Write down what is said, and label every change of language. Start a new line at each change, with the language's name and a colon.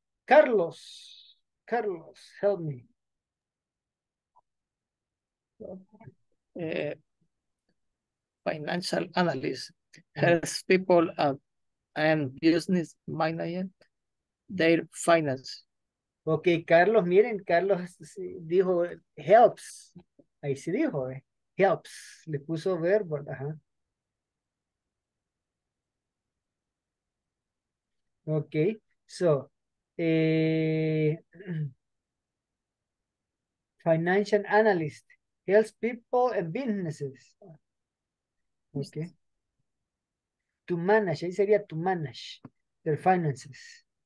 English: Carlos, Carlos, help me. Financial analyst helps people and business manage their finance.
Spanish: Okay, Carlos, miren, Carlos dijo helps, ahí sí dijo, helps, le puso verbo, ajá.
English: Ok, so, financial analyst helps people and businesses. Ok. To manage, ahí sería to manage their finances.